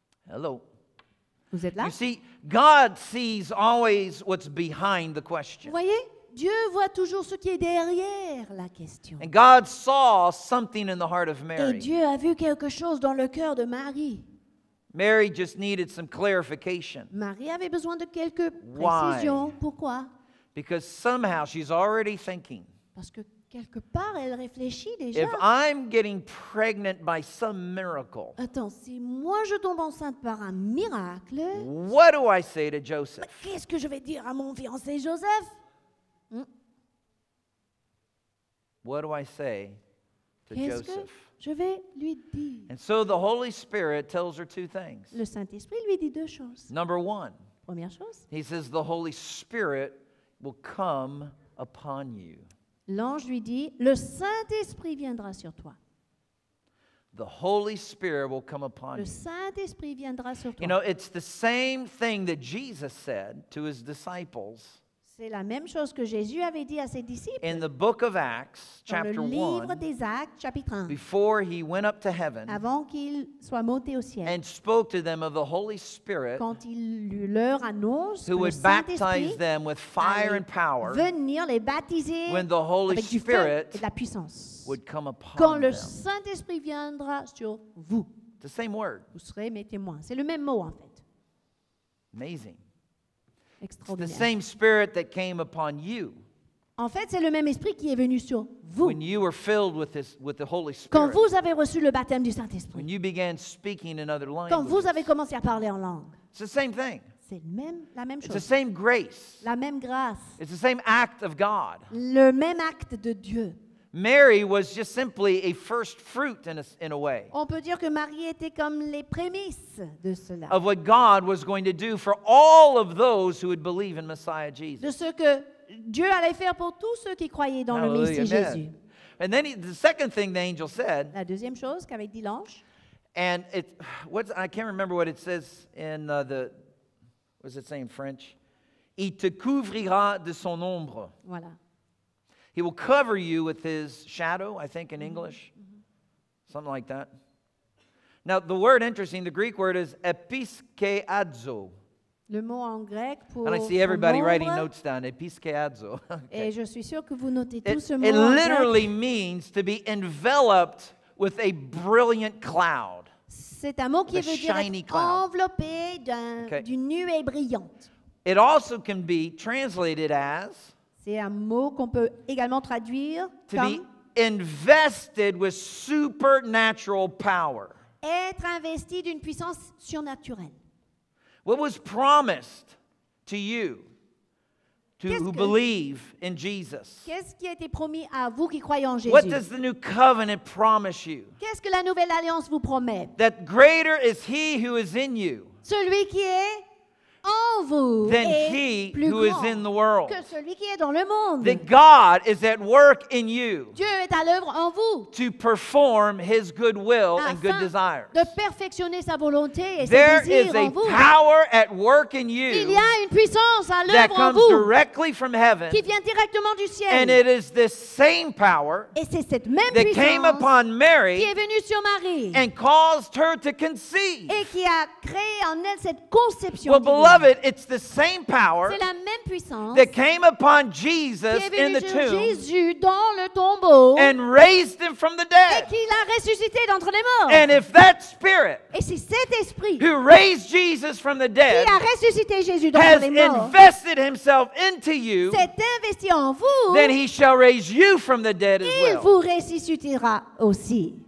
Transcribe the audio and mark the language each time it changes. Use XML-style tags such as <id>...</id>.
<en>Hello.</en> <fr>Vous êtes là?</fr> <en>You see, God sees always what's behind the question.</en> <fr>Vous voyez, Dieu voit toujours ce qui est derrière la question.</fr> <en>And God saw something in the heart of Mary.</en> <fr>Et Dieu a vu quelque chose dans le cœur de Marie.</fr> <en>Mary just needed some clarification.</en> <fr>Marie avait besoin de quelques précisions.</fr> <en>Why?</en> <fr>Pourquoi?</fr> <en>Because somehow she's already thinking.</en> <fr>Parce que quelque part, elle réfléchit déjà.</fr> <en>If I'm getting pregnant by some miracle,</en> <fr>attends, si moi je tombe enceinte par un miracle,</fr> <en>what do I say to Joseph?</en> <fr>Mais qu'est-ce que je vais dire à mon fiancé Joseph?</fr> <en>What do I say to</en> <fr>Qu'est-ce</fr> <en>Joseph?</en> <fr>Que je vais lui dire?</fr> <en>And so the Holy Spirit tells her two things.</en> <fr>Le Saint-Esprit lui dit deux choses.</fr> <en>Number one.</en> <fr>Première chose.</fr> <en>He says the Holy Spirit will come upon you.</en> <fr>L'ange lui dit, le Saint-Esprit viendra sur toi.</fr> <en>The Holy Spirit will come upon</en> <fr>Le Saint-Esprit viendra sur toi.</fr> <en>You know, it's the same thing that Jesus said to his disciples.</en> <fr>C'est la même chose que Jésus avait dit à ses disciples.</fr> <en>In the book of Acts, chapter 1.</en> <fr>Dans le livre des Actes, chapitre 1.</fr> <en>Before he went up to heaven.</en> <fr>Avant qu'il soit monté au ciel.</fr> <en>And spoke to them of the Holy Spirit.</en> <fr>Quand il leur annonce</fr> <en>who would baptize them with fire and power.</en> <fr>Venir les baptiser</fr> <en>when the Holy</en> <fr>avec</fr> <en>Spirit</en> <fr>et la puissance.</fr> <en>Would come upon them.</en> <fr>Quand le Saint-Esprit viendra sur vous.</fr> <en>The same word.</en> <fr>Vous serez mes témoins. C'est le même mot en fait.</fr> <en>Amazing. It's the same spirit that came upon you.</en> <fr>En fait, c'est le même esprit qui est venu sur vous.</fr> <en>When you were filled with this, with the Holy Spirit.</en> <fr>Quand vous avez reçu le baptême du Saint-Esprit.</fr> <en>When you began speaking in other languages.</en> <fr>Quand vous avez commencé à parler en langue.</fr> <en>It's the same thing.</en> <fr>C'est même la même chose.</fr> <en>It's the same grace.</en> <fr>La même grâce.</fr> <en>It's the same act of God.</en> <fr>Le même acte de Dieu.</fr> <en>Mary was just simply a first fruit in a way.</en> <fr>On peut dire que Marie était comme les prémices de cela.</fr> <en>Of what God was going to do for all of those who would believe in Messiah Jesus.</en> <fr>De ce que Dieu allait faire pour tous ceux qui croyaient dans</fr> <en>Hallelujah,</en> <fr>le Messie</fr> <en>amen.</en> <fr>Jésus.</fr> <en>And then the second thing the angel said.</en> <fr>La deuxième chose qu'avait dit l'ange.</fr> <en>And it, what's I can't remember what it says in the, what's it say in French?</en> <fr>Il te couvrira de son ombre. Voilà.</fr> <en>He will cover you with his shadow, I think, in English. Mm-hmm. Something like that. Now, the word, interesting, the Greek word is episkeiazo.</en> <fr>Le mot en grec pour</fr> <en>And I see everybody writing notes down, episkeiazo. Okay.</en> <fr>Et je suis sûr que vous notez tout ce mot</fr> <en>It literally means to be enveloped with a brilliant cloud.</en> <fr>C'est un mot qui veut dire enveloppé d'une nuée brillante.</fr> <en>It also can be translated as</en> <fr>C'est un mot qu'on peut également traduire</fr> <en>to be invested with supernatural power.</en> <fr>Être investi d'une puissance surnaturelle.</fr> <en>What was promised to you to who believe in Jesus?</en> <fr>Qu'est-ce qui a été promis à vous qui croyez en Jésus?</fr> <en>What does the new covenant promise you?</en> <fr>Qu'est-ce que la nouvelle alliance vous promet?</fr> <en>That greater is he who is in you.</en> <fr>Celui qui est en vous</fr> <en>than he who is in the world.</en> <fr>Que celui qui est dans le monde.</fr> <en>That God is at work in you.</en> <fr>Dieu est à l'œuvre en vous.</fr> <en>To perform his good will and good desires.</en> <fr>De perfectionner sa volonté et</fr> <en>there</en> <fr>ses désirs en vous.</fr> <en>There is a power at work in you.</en> <fr>Il y a une puissance à l'œuvre en vous.</fr> <en>That comes directly from heaven.</en> <fr>Qui vient directement du ciel.</fr> <en>And it is this same power.</en> <fr>Et c'est cette même</fr> <en>that</en> <fr>puissance</fr> <en>came upon Mary.</en> <fr>Qui est venue sur Marie.</fr> <en>And caused her to conceive.</en> <fr>Et qui a créé en elle cette conception.</fr> <en>Well, of it, it's the same power</en> <fr>C'est la même puissance</fr> <en>that came upon Jesus in the tomb</en> <fr>Jésus dans le tombeau</fr> <en>and raised him from the dead.</en> <fr>Et qui l'a ressuscité d'entre les morts.</fr> <en>And if that spirit</en> <fr>Et si cet esprit</fr> <en>who raised Jesus from the dead</en> <fr>qui a ressuscité Jésus d'entre les morts</fr> <en>has invested himself into you,</en> <fr>s'est investi en vous,</fr> <en>then he shall raise you from the dead as well.</en> <fr>Il vous ressuscitera aussi</fr>